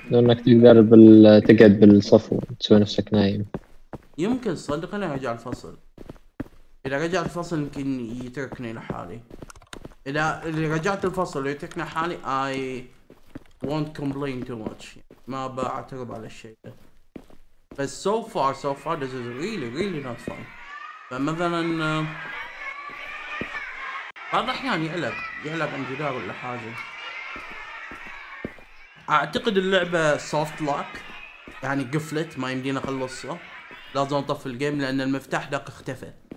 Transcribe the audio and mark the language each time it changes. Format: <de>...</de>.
<ar>لو انك تقدر تقعد بالصفو تسوي نفسك نايم، يمكن صدقني ارجع الفصل. اذا رجع الفصل يمكن يتركني لحالي. إذا رجعت الفصل ويتركنا حالي</ar> <en>I won't complain too much،</en> <ar>ما بعترب على الشيء ده. بس</ar> <en>so far this is really really not fun.</en> <ar>فمثلا بعض الأحيان يعلق عن جدار ولا حاجة. أعتقد اللعبة soft lock يعني قفلت ما يمدينا نخلصها، لازم نطفي الجيم لأن المفتاح ده اختفى.</ar>